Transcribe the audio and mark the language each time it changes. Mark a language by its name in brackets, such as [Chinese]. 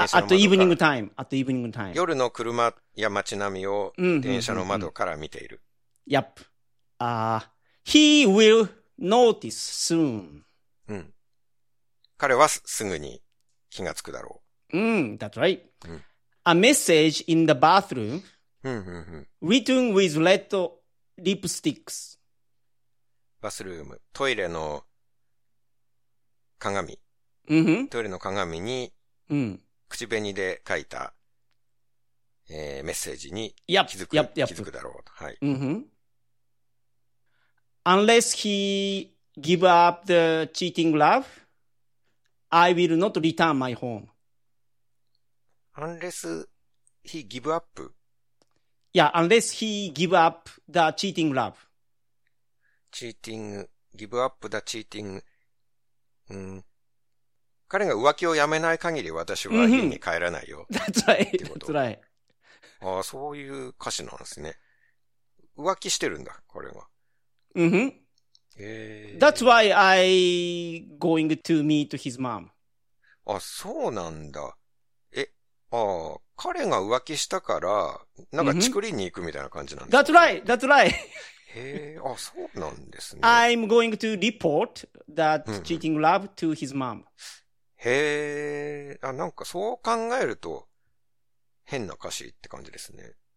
[Japanese] あとイブニングタイム、あとイブニングタイム。夜の車や街並みを電車の窓から見ている。 [English] Yep. He will notice soon. [Japanese] うん。彼はすぐに気がつくだろう。 [English] うん、that's right. A message in the bathroom. Written with red lipsticks. [Japanese] バスルーム、トイレの鏡。トイレの鏡に、うん、口紅で書いた、メッセージに気づく、 [English] yep, yep, yep. [Japanese] 気づくだろうと。はい。 [English] Unless he give up the cheating love, I will not return my home. Unless he give up? Yeah, unless he give up the cheating love. Cheating, give up the cheating. うん。 [Japanese] 彼が浮気をやめない限り私は家に帰らないよ。 [English] That's right. That's right. [Japanese] ああ、そういう歌詞なんですね。浮気してるんだ、これが。 [English] That's why I going to meet his mom. [Japanese] あ、そうなんだ。ああ、彼が浮気したから、なんかチクリに行くみたいな感じなんですか、ね [English] mm-hmm. That's right, that's right. [Japanese] へえ、あ、そうなんですね。 [English] I'm going to report that cheating love to his mom. [Japanese] へえ、あ、なんかそう考えると、変な歌詞って感じですね。